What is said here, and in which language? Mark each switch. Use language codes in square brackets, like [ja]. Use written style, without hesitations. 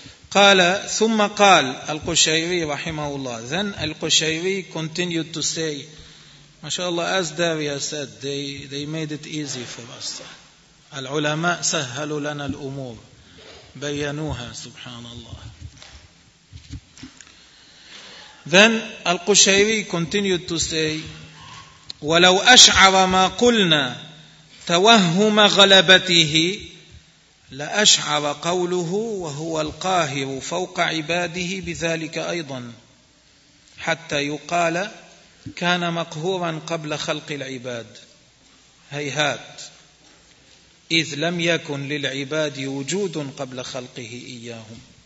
[ar] قال ثم قال القشيري رحمه الله. [en] Then القشيري continued to say, MashaAllah, as Daria said, they made it easy for us. [ar] العلماء سهلوا لنا الأمور بينوها سبحان الله. [en] Then القشيري continued to say, [ar] ولو أشعر ما قلنا توهم غلبته لأشعر قوله وهو القاهر فوق عباده بذلك أيضا حتى يقال كان مقهورا قبل خلق العباد هيهات إذ لم يكن للعباد وجود قبل خلقه إياهم.